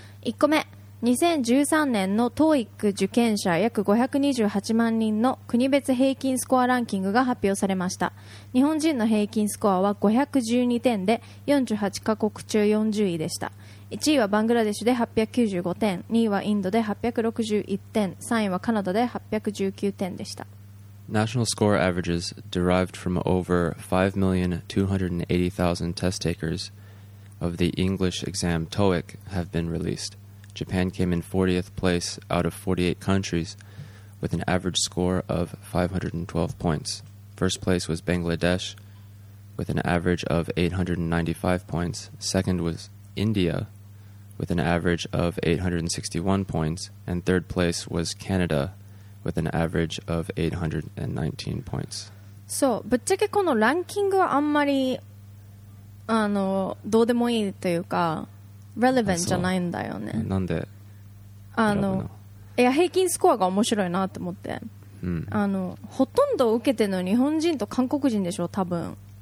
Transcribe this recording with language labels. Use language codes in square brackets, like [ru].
[ja] 1個目、2013年の TOEIC 受験者約528万人の国別平均スコアランキングが発表されました。日本人の平均スコアは512点で48カ国中40位でした。 1位はバングラデシュで895点、2位はインドで861点、3位はカナダで819点でした。 [en] National score averages derived from over 5,280,000 test takers of the English exam TOEIC have been released. Japan came in 40th place out of 48 countries with an average score of 512 points. First place was Bangladesh with an average of 895 points. Second was India with an average of 861 points. And third place was Canada with an average of 819 points. [ja] そう、ぶっちゃけこのランキングはあんまりあのどうでもいいというか、relevant じゃないんだよね。なんで？あの、いや、平均スコアが面白いなって思って、あのほとんど受けてるの日本人と韓国人でしょ多分。